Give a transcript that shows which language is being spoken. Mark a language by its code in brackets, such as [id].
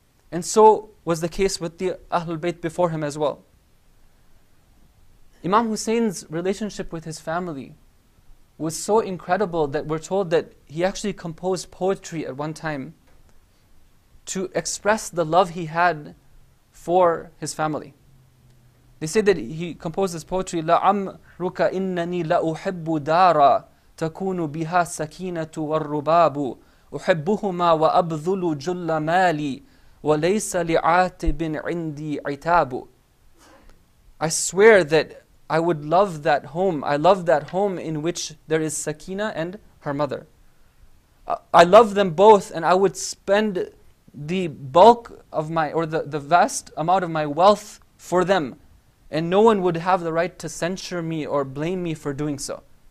[en] And so was the case with the Ahlul Bayt before him as well. Imam Hussein's relationship with his family was so incredible that we're told that he actually composed poetry at one time to express the love he had for his family. They say that he composed this poetry, [ar] لَعَمْرُكَ إِنَّنِي لَأُحِبُّ دَارًا تَكُونُ بِهَا السَّكِينَةُ وَالرُّبَابُ أُحِبُّهُمَا وَأَبْذُلُ جُلَّ مَالِي وَلَيْسَ لِعَاتِبٍ عِنْدِي عِتَابُ. [en] I swear that I would love that home. I love that home in which there is Sakina and her mother. I love them both, and I would spend the bulk of my, or the vast amount of my wealth for them, and no one would have the right to censure me or blame me for doing so.